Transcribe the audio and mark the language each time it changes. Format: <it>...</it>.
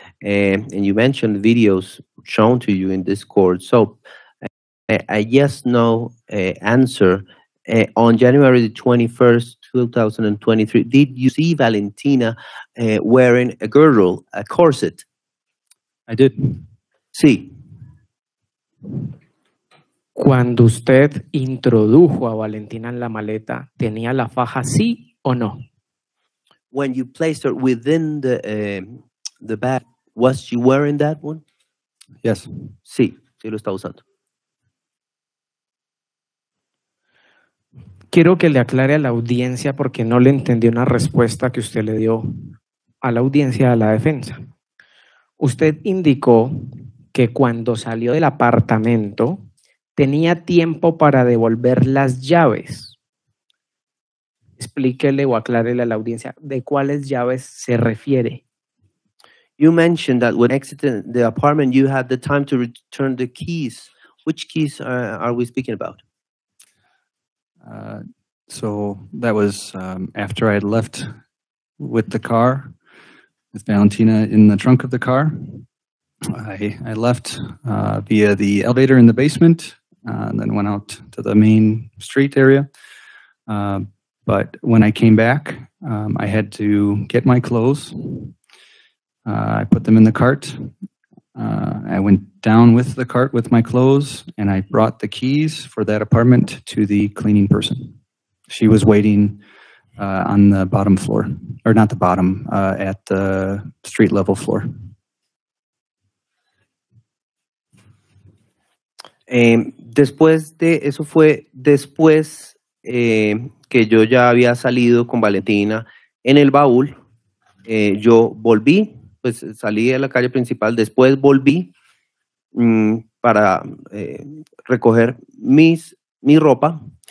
<en>And you mentioned videos shown to you in Discord. So a yes, no answer. On January the 21st, 2023, did you see Valentina wearing a girdle, a corset? I did.</en> <es>Sí. Cuando usted introdujo a Valentina en la maleta, ¿tenía la faja sí o no?</es> <en>When you placed her within the bag, was she wearing that one? Yes.</en> <es>Sí, sí lo está usando. Quiero que le aclare a la audiencia porque no le entendí una respuesta que usted le dio a la audiencia de la defensa. Usted indicó que cuando salió del apartamento tenía tiempo para devolver las llaves. Explíquele o aclárele a la audiencia de cuáles llaves se refiere.</es> <en>You mentioned that when exiting the apartment, you had the time to return the keys. Which keys are we speaking about? So that was after I had left with the car, with Valentina in the trunk of the car. I left via the elevator in the basement. And then went out to the main street area. But when I came back, I had to get my clothes. I put them in the cart. I went down with the cart with my clothes and I brought the keys for that apartment to the cleaning person. She was waiting On the bottom floor, or not the bottom, at the street level floor.</en> <es>Después de eso fue después que yo ya había salido con Valentina en el baúl. Yo volví, pues salí a la calle principal. Después volví para recoger mi ropa.</es>